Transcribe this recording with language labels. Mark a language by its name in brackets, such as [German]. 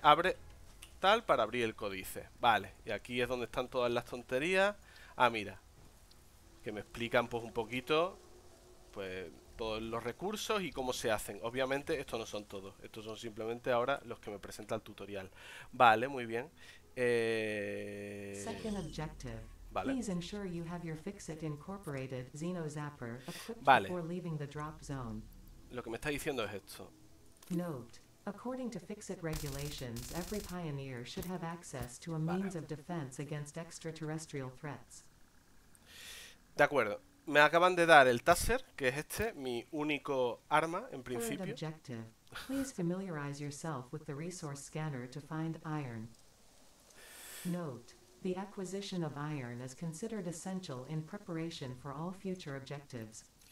[Spanish] Abre tal para abrir el códice, ¿vale? Y aquí es donde están todas las tonterías. Ah, mira. Que me explican pues un poquito pues todos los recursos y cómo se hacen. Obviamente estos no son todos. Estos son simplemente ahora los que me presenta el tutorial. Vale, muy bien. [English] Second objective. [Spanish] Vale. [English] Please ensure you have your Fixit Incorporated Xeno Zapper equipped [Spanish] Vale. [English] before leaving the drop zone. [Spanish] Lo que me está diciendo es esto. [English] Note: According to Fixit regulations, every pioneer should have access to a [Spanish] Vale. [English] means of defense against extraterrestrial threats. [Spanish] De acuerdo. Me acaban de dar el taser, que es este, mi único arma en [English] Third [Spanish] principio. [English] objective: Please familiarize yourself with the resource scanner to find iron. Note: The acquisition of iron is considered essential in preparation for all future objectives.